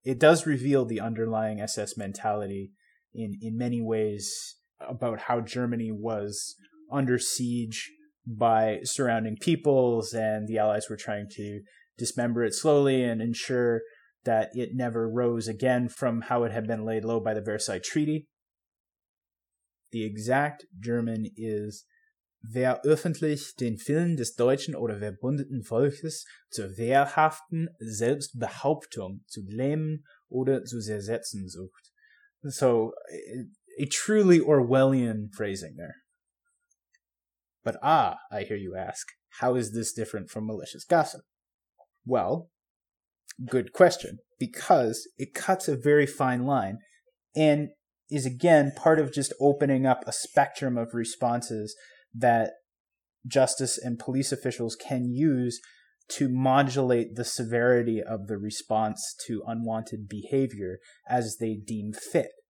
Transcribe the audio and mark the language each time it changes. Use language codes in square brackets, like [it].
[en] It does reveal the underlying SS mentality in many ways about how Germany was under siege by surrounding peoples, and the Allies were trying to dismember it slowly and ensure that it never rose again from how it had been laid low by the Versailles Treaty. The exact German is, [de] "Wer öffentlich den Willen des deutschen oder verbündeten Volkes zur wehrhaften Selbstbehauptung zu lähmen oder zu zersetzen sucht." [en] So, a truly Orwellian phrasing there. But ah, I hear you ask, how is this different from malicious gossip? Well, good question, because it cuts a very fine line and is again part of just opening up a spectrum of responses that justice and police officials can use to modulate the severity of the response to unwanted behavior as they deem fit.